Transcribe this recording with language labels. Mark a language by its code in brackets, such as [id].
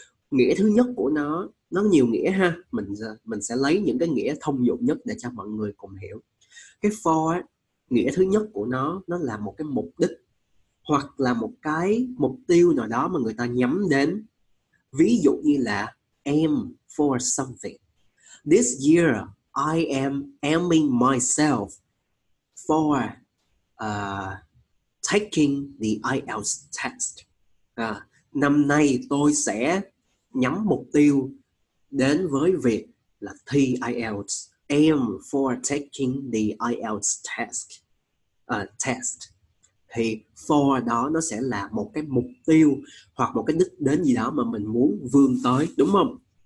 [vi] Nghĩa thứ nhất của nó nhiều nghĩa ha. Mình sẽ lấy những cái nghĩa thông dụng nhất để cho mọi người cùng hiểu. Cái for á, nghĩa thứ nhất của nó là một cái mục đích hoặc là một cái mục tiêu nào đó mà người ta nhắm đến. Ví dụ như là [en] aim for something. This year I am aiming myself for taking the IELTS test. [vi] Năm nay tôi sẽ nhắm mục tiêu đến với việc là thi IELTS. [en] Aim for taking the IELTS test. [vi] Thì for đó nó sẽ là một cái mục tiêu hoặc một cái đích đến gì đó mà mình muốn vươn tới, đúng không?